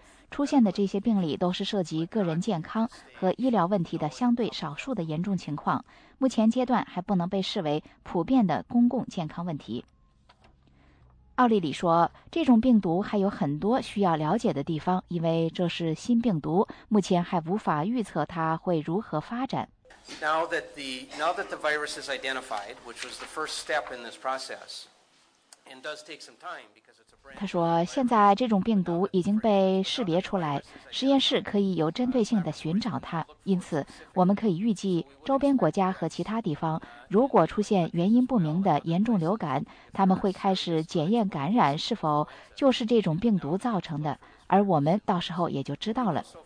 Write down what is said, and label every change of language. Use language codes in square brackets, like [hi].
[zh] 出现的这些病例都是涉及个人健康和医疗问题的相对少数的严重情况，目前阶段还不能被视为普遍的公共健康问题。奥利里说，这种病毒还有很多需要了解的地方，因为这是新病毒，目前还无法预测它会如何发展。 [en] Now that the virus is identified, which was the first step in this process, and does take some time because it's a brand. [zh] 他说，现在这种病毒已经被识别出来，实验室可以有针对性的寻找它，因此我们可以预计周边国家和其他地方如果出现原因不明的严重流感，他们会开始检验感染是否就是这种病毒造成的，而我们到时候也就知道了。